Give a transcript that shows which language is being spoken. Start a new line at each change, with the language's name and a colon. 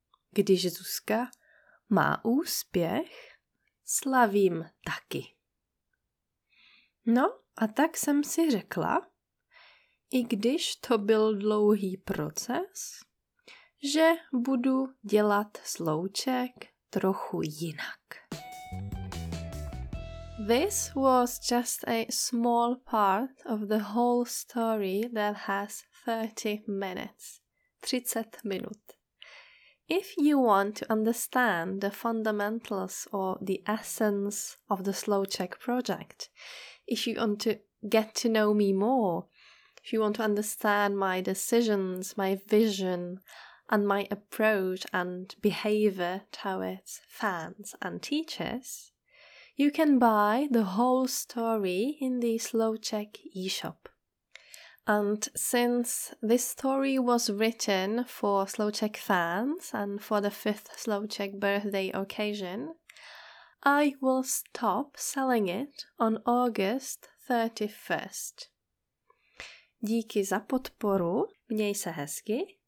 Czech: Když Zuzka má úspěch, slavím taky. No a tak jsem si řekla, i když to byl dlouhý proces, že budu dělat slowczech trochu jinak.
English: This was just a small part of the whole story that has 30 minutes.
Czech: 30 minut.
English: If you want to understand the fundamentals or the essence of the slowczech project, if you want to get to know me more, if you want to understand my decisions, my vision, and my approach and behavior towards fans and teachers, you can buy the whole story in the slowczech eShop. And since this story was written for slowczech fans and for the 5th slowczech birthday occasion, I will stop selling it on August 31st.
Czech: Díky za podporu, měj se hezky.